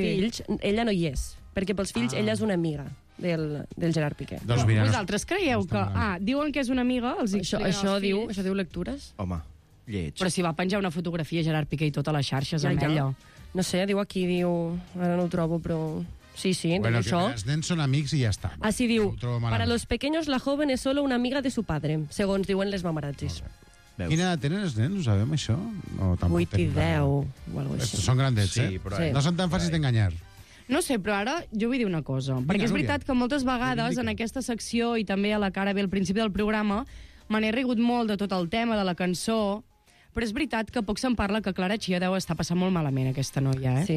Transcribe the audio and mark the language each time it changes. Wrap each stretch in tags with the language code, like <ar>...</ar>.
<ca>fills, ella no hi és, perquè pels fills ella és una amiga del Gerard Piqué. Doncs mira, vosaltres creieu que... diuen que és una amiga, els fills. Això diu lectures? Home, lleig. Però si va penjar una fotografia Gerard Piqué i tot a les xarxes ja, amb ella. No sé, diu... Ara no ho trobo, però... Sí, sí, bueno, això. Els nens són amics i ja està.</ca> <es>Así diu, para los pequeños la joven es solo una amiga de su padre,</es> <ca>segons diuen les mamaratges. Quina edat tenen els nens, ho sabem, això? O 8 i 10, o alguna cosa així. Són grandets, sí, eh? Sí. No són tan fàcils d'enganyar. No sé, però ara jo vull dir una cosa. Vinga, perquè és veritat que moltes vegades en aquesta secció i també a la cara ve al principi del programa me n'he rigut molt de tot el tema de la cançó, però és veritat que poc se'n parla que Clara Chia deu estar passant molt malament, aquesta noia, eh?</ca>